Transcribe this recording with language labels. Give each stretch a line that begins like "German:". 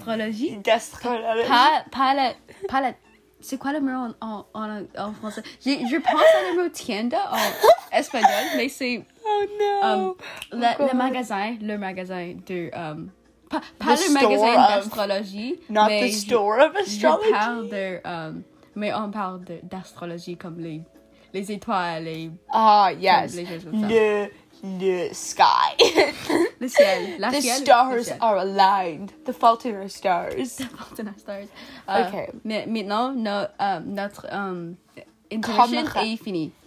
French: D'astrologie. C'est quoi le numéro en français? Je pense à le mot tienda en espagnol, mais c'est... Oh non! Le magasin d'astrologie.
English: Not the store of astrology.
French: On parle d'astrologie comme les étoiles, les...
English: Ah, yes.
French: Les choses comme ça. Le sky. Le ciel.
English: The stars are aligned. The fault in our stars. Okay.
French: Mais maintenant, notre intuition est finie.